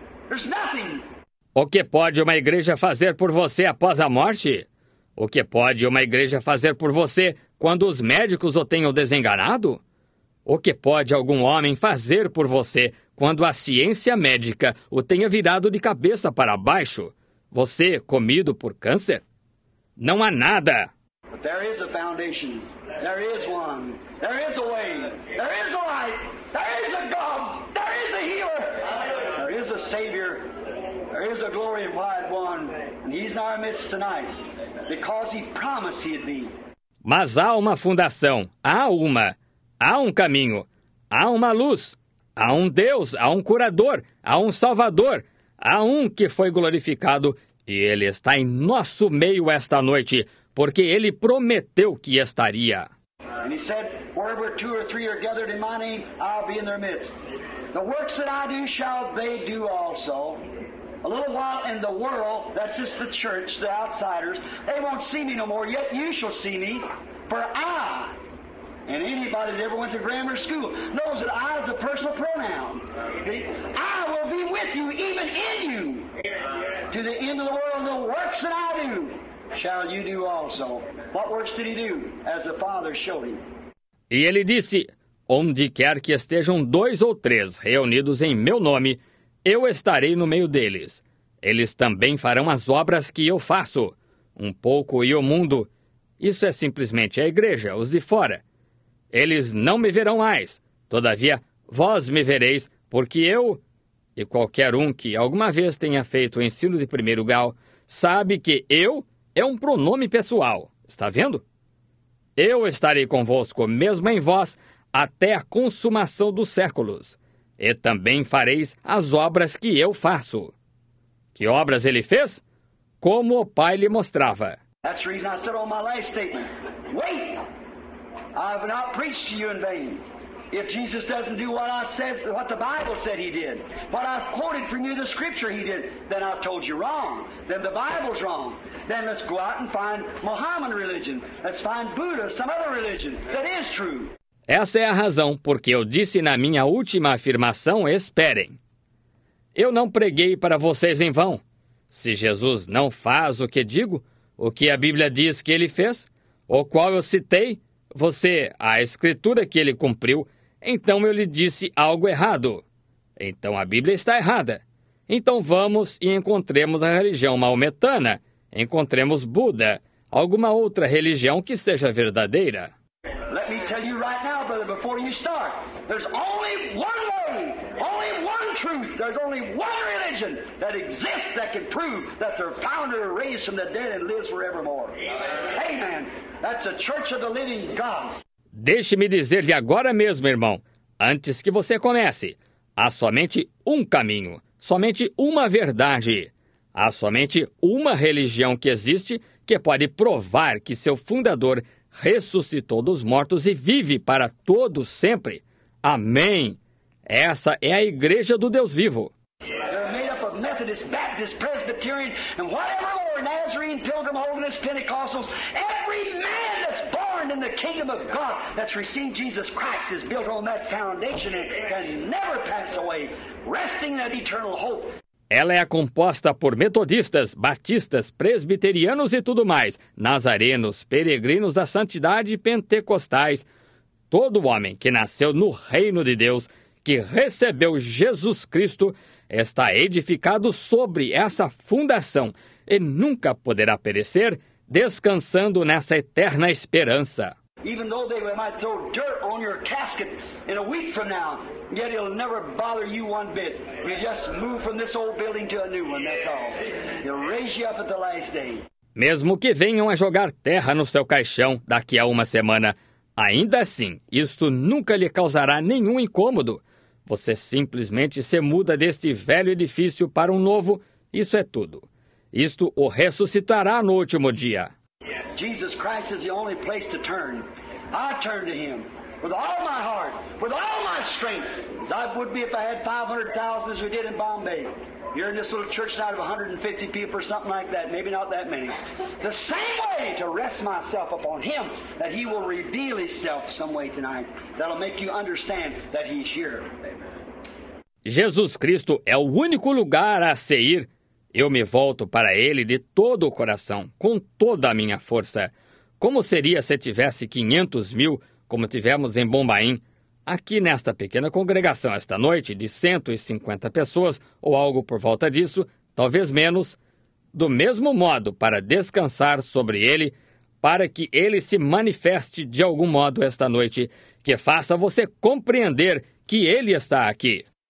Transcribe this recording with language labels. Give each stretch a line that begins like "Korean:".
English: There's nothing.
Portuguese: O que pode uma igreja fazer por você após a morte? O que pode uma igreja fazer por você quando os médicos o tenham desenganado? O que pode algum homem fazer por você quando a ciência médica o tenha virado de cabeça para baixo? Você comido por câncer? Não há nada.
English: There is a foundation. There is one. There is a way. There is a light. There is a God. There is a healer. There is a savior. There is a glory of white one. And he's in our midst tonight because he promised he'd be.
Portuguese: Mas há uma fundação. Há uma. Há um caminho, há uma luz, há um Deus, há um curador, há um salvador, há um que foi glorificado e ele está em nosso meio esta noite, porque ele prometeu que estaria.
English: And he said, wherever two or three are gathered in my name, I'll be in their midst. The works that I do shall they do also. A little while in the world, that's just the church, the outsiders, they won't see me no more, yet you shall see me, for I... And anybody that ever went to grammar school knows that I is a personal pronoun. I will be with you, even in you, to the end of the world. The works that I do, shall you do also. What works did he do? As the Father showed him.
Portuguese: E ele disse, onde quer que estejam dois ou três reunidos em meu nome, eu estarei no meio deles. Eles também farão as obras que eu faço. Um pouco e o mundo. Isso é simplesmente a igreja, os de fora. Eles não me verão mais. Todavia, vós me vereis, porque eu e qualquer um que alguma vez tenha feito o ensino de primeiro grau sabe que eu é um pronome pessoal. Está vendo? Eu estarei convosco, mesmo em vós, até a consumação dos séculos. E também fareis as obras que eu faço. Que obras ele fez? Como o Pai lhe mostrava.
English: That's the reason I said on my last statement. Wait! I have not preached to you in vain. If Jesus doesn't do what I says, what the Bible said he did, what I've quoted from you the scripture he did, then I've told you wrong. Then the Bible's wrong. Then let's go out and find Mohammedan religion. Let's find Buddha, some other religion that is true.
Portuguese: Essa é a razão porque eu disse na minha última afirmação, esperem. Eu não preguei para vocês em vão. Se Jesus não faz o que digo, o que a Bíblia diz que ele fez, o qual eu citei, você, a escritura que ele cumpriu, então eu lhe disse algo errado. Então a Bíblia está errada. Então vamos e encontremos a religião maometana. Encontremos Buda, alguma outra religião que seja verdadeira.
English: Let me tell you right now, brother, before you start. There's only one way, only one truth. There's only one religion that exists that can prove that their founder raised from the dead and lives forevermore. Amen. Amen. That's a church of the living God.
Portuguese: Deixe-me dizer-lhe agora mesmo, irmão, antes que você comece. Há somente um caminho, somente uma verdade. Há somente uma religião que existe que pode provar que seu fundador ressuscitou dos mortos e vive para todo sempre. Amém. Essa é a igreja do Deus vivo.
English: They're made up of Methodist, Baptist, Presbyterian, and whatever more, Nazarene, Pilgrim, Holiness, Pentecostals. Every man that's born in the kingdom of God that's received Jesus Christ is built on that foundation and can never pass away, resting that eternal hope.
Portuguese: Ela é composta por metodistas, batistas, presbiterianos e tudo mais, nazarenos, peregrinos da santidade e pentecostais, todo homem que nasceu no reino de Deus, que recebeu Jesus Cristo, está edificado sobre essa fundação e nunca poderá perecer, descansando nessa eterna esperança.
English: Even though they might throw dirt on your casket in a week from now, yet it'll never bother you one bit. You just move from this old building to a new one, that's all. They'll raise you up at the last day.
Portuguese: Mesmo que venham a jogar terra no seu caixão daqui a uma semana, ainda assim, isto nunca lhe causará nenhum incômodo. Você simplesmente se muda deste velho edifício para um novo, isso é tudo. Isto o ressuscitará no último dia.
English: Jesus Christ is the only place to turn. I turn to him with all my heart, with all my strength, as I would be if I had 500,000 as we did in Bombay. You're in this little church tonight of 150 people or something like that, maybe not that many. The same way to rest myself upon him, that he will reveal himself some way tonight, that'll make you understand that he's here.
Portuguese: Jesus Cristo é o único lugar a se ir. Eu me volto para ele de todo o coração, com toda a minha força. Como seria se tivesse 500 mil, como tivemos em Bombaim, aqui nesta pequena congregação esta noite, de 150 pessoas, ou algo por volta disso, talvez menos, do mesmo modo para descansar sobre ele, para que ele se manifeste de algum modo esta noite, que faça você compreender que ele está aqui.